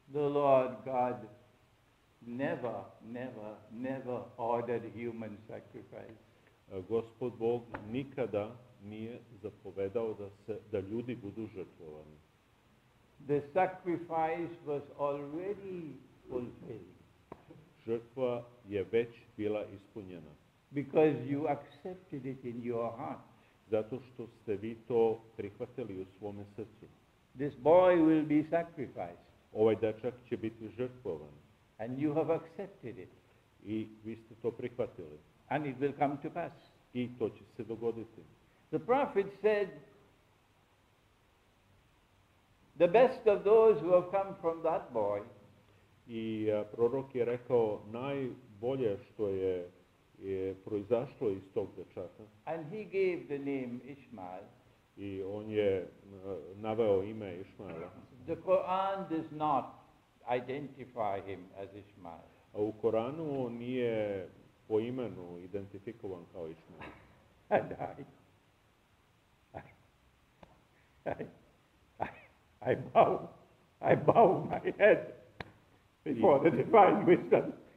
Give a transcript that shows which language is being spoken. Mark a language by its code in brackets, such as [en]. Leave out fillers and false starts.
[en] The Lord God never, never, never ordered human sacrifice. [sr] Gospod Bog nikada nije zapovedao da se da ljudi budu žrtvovani. [en] The sacrifice was already fulfilled. [sr] Žrtva je već bila ispunjena. [en] Because you accepted it in your heart. [sr] Zato što ste vi to prihvatili u svome srcu. [en] This boy will be sacrificed. [sr] Ovaj dečak će biti žrtvovan. [en] And you have accepted it. [sr] I vi ste to prihvatili. [en] And it will come to pass. [sr] I to će se dogoditi. [en] The prophet said, the best of those who have come from that boy. [sr] I prorok je rekao najbolje što je proizašlo iz tog dečaka. [en] And he gave the name Ishmael. [sr] I on je naveo ime Ishmaela. [en] The Quran does not identify him as Ishmael. [sr] A u Koranu on nije po imenu identifikovan kao Ishmael. [en] And I bow my head before the divine wisdom.